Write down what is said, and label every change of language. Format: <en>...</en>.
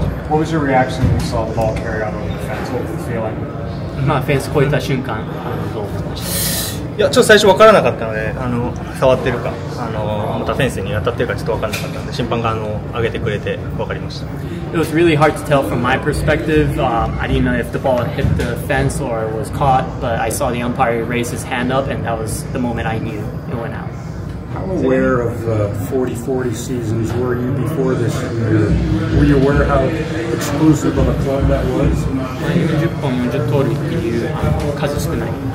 <en>What was your reaction when you saw the ball carry out over the fence? What was the feeling?</en> <ja>まあ、フェンス越えた瞬間、どう思ってました？いや、ちょっと最初分からなかったので、触ってるか、またフェンスに当たってるかちょっと分からなかったので、審判が上げてくれて分かりました。</ja> <en>It was really hard to tell from my perspective. I didn't know if the ball hit the fence or was caught, but I saw the umpire raise his hand up, and that was the moment I knew it went out. How aware of the 40-40 seasons were you before this year? Were you aware how exclusive of a club that was?</en> <ja>40本、40通りっていう数少ない。</ja>